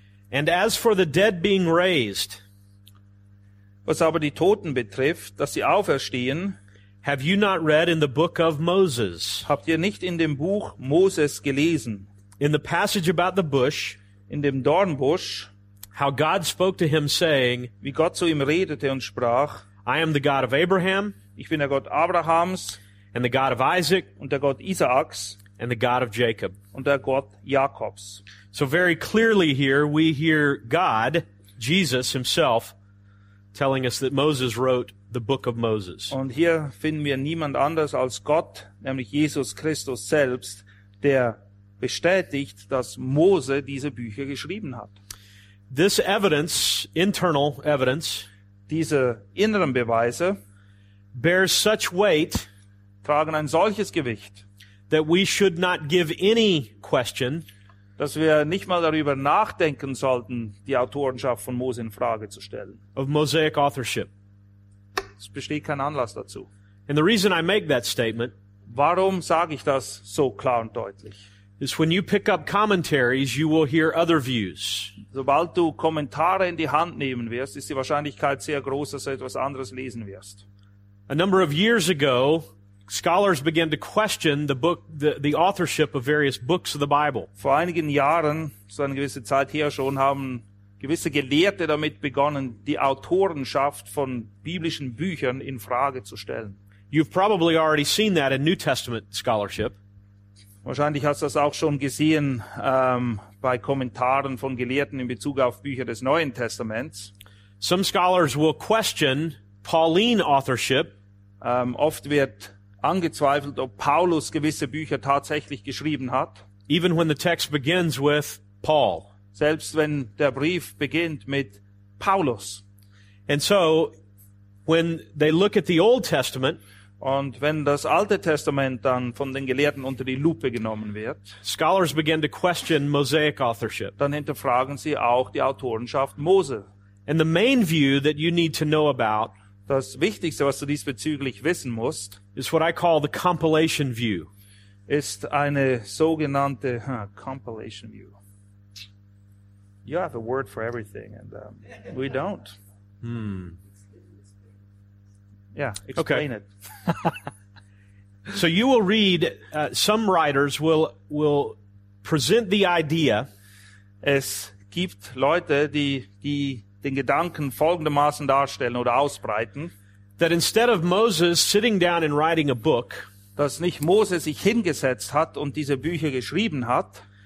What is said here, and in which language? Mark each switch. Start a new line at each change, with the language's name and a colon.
English: And as for the dead being raised,
German: was aber die Toten betrifft, dass sie auferstehen,
English: have you not read in the book of Moses?
German: Habt ihr nicht in dem Buch Moses gelesen?
English: In the passage about the bush,
German: in dem Dornbusch,
English: how God spoke to him saying,
German: wie Gott zu ihm redete und sprach,
English: I am the God of Abraham,
German: ich bin der Gott Abrahams,
English: and the God of Isaac,
German: und der Gott Isaaks,
English: and the God of Jacob,
German: und der Gott Jakobs.
English: So very clearly here we hear God, Jesus himself, telling us that Moses wrote the book of Moses.
German: Und hier finden wir niemand anders als Gott, nämlich Jesus Christus selbst, der bestätigt, dass Mose diese Bücher geschrieben hat.
English: This evidence, internal evidence,
German: diese inneren Beweise,
English: bears such weight,
German: tragen ein solches Gewicht,
English: that we should not give any question,
German: dass wir nicht mal darüber nachdenken sollten, die Autorenschaft von Mose in Frage zu stellen.
English: Of Mosaic authorship.
German: Es besteht kein Anlass dazu.
English: And the reason I make that statement,
German: warum sage ich das so klar und deutlich?
English: Is when you pick up commentaries, you will hear other views.
German: Sobald du Kommentare in die Hand nehmen wirst, ist die Wahrscheinlichkeit sehr groß, dass du etwas anderes lesen wirst.
English: A number of years ago, scholars began to question the authorship of various books of the Bible.
German: Vor einigen Jahren, so eine gewisse Zeit her schon, haben gewisse Gelehrte damit begonnen, die Autorenschaft von biblischen Büchern in Frage zu stellen.
English: You've probably already seen that in New Testament scholarship.
German: Wahrscheinlich hast du das auch schon gesehen bei Kommentaren von Gelehrten in Bezug auf Bücher des Neuen Testaments.
English: Some scholars will question Pauline authorship.
German: Oft wird angezweifelt, ob Paulus gewisse Bücher tatsächlich geschrieben hat.
English: Even when the text begins with Paul.
German: Selbst wenn der Brief beginnt mit Paulus.
English: And so, when they look at the Old Testament,
German: und wenn das Alte Testament dann von den Gelehrten unter die Lupe genommen wird,
English: scholars begin to question Mosaic authorship.
German: Dann hinterfragen sie auch die Autorenschaft Mose.
English: And the main view that you need to know about,
German: das Wichtigste, was du diesbezüglich wissen musst,
English: is what I call the compilation view.
German: Ist eine sogenannte compilation view.
English: You have a word for everything, and we don't. Yeah, explain it. So you will read, some writers will present the idea.
German: Es gibt Leute, die den Gedanken folgendermaßen darstellen oder ausbreiten.
English: That instead of Moses sitting down and writing a book,
German: dass nicht Mose sich hingesetzt hat und diese Bücher geschrieben hat,